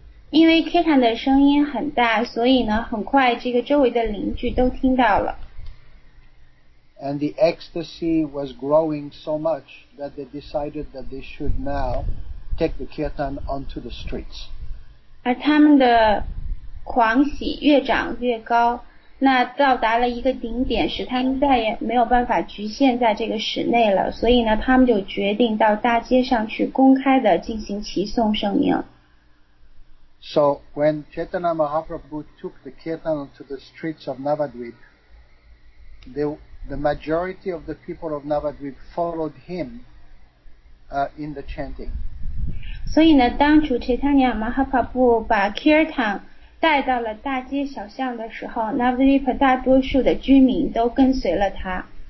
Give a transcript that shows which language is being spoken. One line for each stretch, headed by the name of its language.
Chinese: 因为 Chaitanya 的声音很大，所以呢，很快这个周围的邻居都听到了。
English: And the ecstasy was growing so much that they decided that they should now take the kirtan onto the streets.
Chinese: 而他们的狂喜越长越高，那到达了一个顶点，使他们再也没有办法局限在这个室内了。所以呢，他们就决定到大街上去公开的进行齐颂圣名。
English: So when Chaitanya Mahaprabhu took the kirtan onto the streets of Navadvip, the majority of the people of Navadvip followed him in the chanting.
Chinese: 所以呢，当主 Chaitanya Mahaprabhu 把 kirtan 带到了大街小巷的时候， Navadvip 大多数的居民都跟随了他。